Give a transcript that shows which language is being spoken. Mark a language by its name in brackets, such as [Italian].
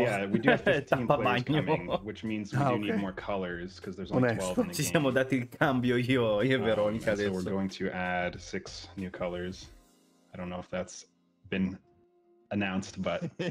[English] Yeah, we do have 15 players coming, which means we do need more colors because there's only 12 in the [Italian] game. Ci siamo dati il cambio io e Veronica adesso. [English] So we're going to add 6 new colors. I don't know if that's been announced, but